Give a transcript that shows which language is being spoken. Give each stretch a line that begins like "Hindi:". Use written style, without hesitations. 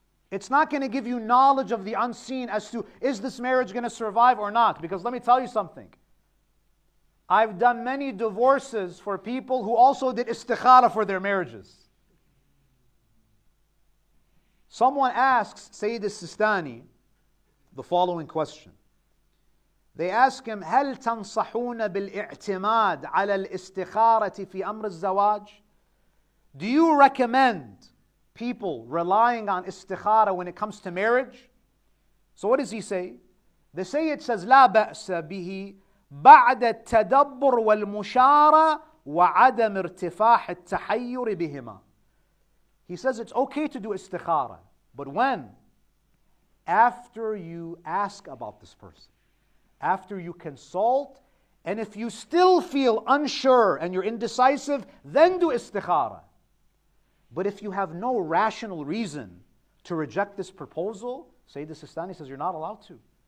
English: It's not going to give you knowledge of the unseen as to, is this marriage going to survive or not? Because let me tell you something. I've done many divorces for people who also did istikhara for their marriages. Someone asks Sayyid al-Sistani the following question. They ask him,
Arabic: هَلْ تَنْصَحُونَ بِالْإِعْتِمَادِ عَلَى الْإِسْتِخَارَةِ فِي أَمْرِ الزَّوَاجِ?
English: Do you recommend people relying on istikhara when it comes to marriage? So what does he say? The Sayyid says,
Arabic: لَا بَأْسَ بِهِ بَعْدَ التَّدَبُّرْ وَالْمُشَارَ وَعَدَمْ ارْتِفَاحِ التَّحَيُّرِ بِهِمَا.
English: He says it's okay to do istikhara, but when? After you ask about this person, after you consult, and if you still feel unsure and you're indecisive, then do istikhara. But if you have no rational reason to reject this proposal, Sayyid al-Sistani says you're not allowed to.